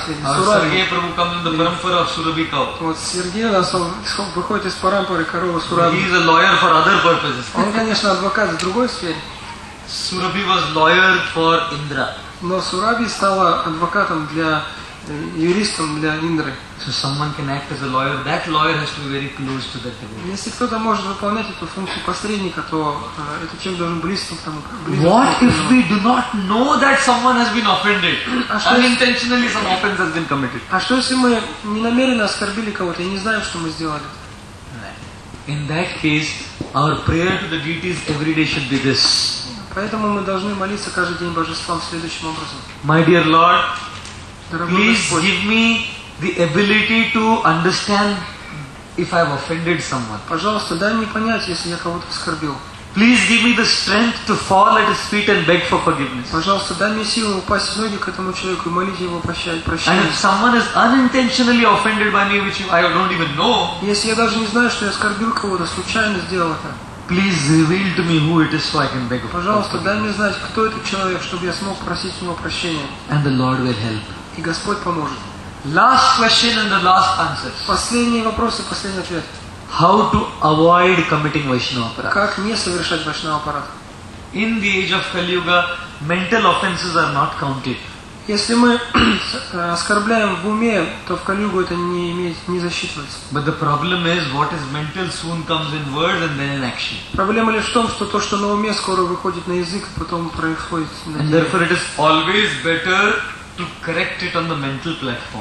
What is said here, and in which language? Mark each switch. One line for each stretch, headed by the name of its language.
English: Сергей Прабху comes in the parampara of Сурабхи cow.
Russian: Вот Сергей, да, выходит из парампары корова Сурабхи.
English: He is a lawyer for other purposes.
Russian: Он, конечно, адвокат в другой сфере.
English: Сурабхи was lawyer for Indra.
Russian: Но Сурабхи стала адвокатом для юристом для Индры.
English: So someone can act as a lawyer. That lawyer has to be very close to that devotee.
Russian: Если кто-то может выполнять эту функцию посредника, то этот человек должен близко к тому.
English: What if we do not know that someone has been offended? Unintentionally some offense has been committed.
Russian: А что если мы не намеренно оскорбили кого-то и не знаем, что мы сделали?
English: In that case, our prayer to the deities every day should be this.
Russian: Поэтому мы должны молиться каждый день Божествам следующим образом.
English: My dear Lord,
Russian: дорогой
English: please
Russian: Господь,
English: give me the ability to understand if I've offended someone.
Russian: Пожалуйста, дай мне понять, если я кого-то оскорбил.
English: Please give me the strength to fall at his feet and beg for forgiveness.
Russian: Пожалуйста, дай мне силу упасть в ноги к этому человеку и молить его прощения.
English: And if someone is unintentionally offended by me, which I don't even know.
Russian: Если я даже не знаю, что я оскорбил кого-то, случайно сделал это.
English: Please reveal to me who it is so I can beg.
Russian: Пожалуйста, дай мне знать, кто этот человек, чтобы я смог просить у него прощения.
English: And the Lord will help.
Russian: И Господь поможет.
English: Last question and the last answers.
Russian: Последний вопрос и последний ответ.
English: How to avoid committing Vaishnavaparadha?
Russian: Как не совершать Вайшнавапарадх?
English: In the age of Kali Yuga, mental offenses are not counted.
Russian: Если мы оскорбляем в уме, то в Кали-Югу это не имеет, не засчитывается.
English: But the problem is, what is mental soon comes in words and then in action.
Russian: Проблема лишь в том, что то, что на уме, скоро выходит на язык, потом происходит на деле.
English: And therefore, it is always better to correct it on the mental platform.